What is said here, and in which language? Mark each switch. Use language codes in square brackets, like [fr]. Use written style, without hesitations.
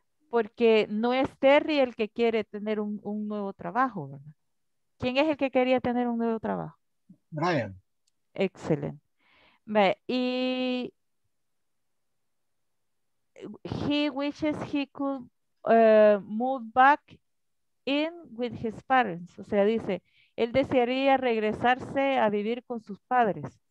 [es] Porque no es Terry el que quiere tener un nuevo trabajo, ¿verdad? ¿Quién es el que quería tener un nuevo trabajo? Brian. Excelente. [en] Y he wishes he could move back in with his parents. [es] O sea, dice, él desearía regresarse a vivir con sus padres.